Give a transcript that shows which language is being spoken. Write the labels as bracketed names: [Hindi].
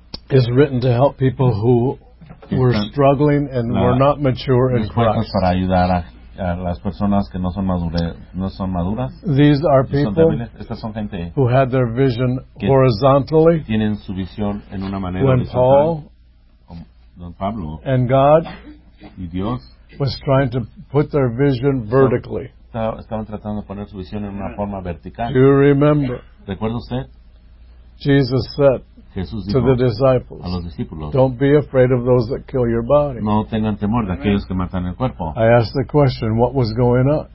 [English] is written to help people who were struggling and were not mature in Christ. [Spanish] Para ayudar a las personas que no son maduras. [English] These are people [Spanish] estas son gente [English] who had their vision horizontally [Spanish] tienen su visión en una manera [English] when [Spanish] horizontal. [English] Paul [Spanish] Don Pablo [English] and God [Spanish] y Dios [English] was trying to put their vision vertically. [Spanish] Estaban tratando de poner su visión en una forma vertical. [English] Do you remember? [Spanish] ¿Recuerda usted? [English] Jesus said [Spanish] Jesús dijo [English] to the disciples, [Spanish] a los discípulos, [English] don't be afraid of those that kill your body. [Spanish] No tengan temor de aquellos que matan el cuerpo. [English] I asked the question, what was going on?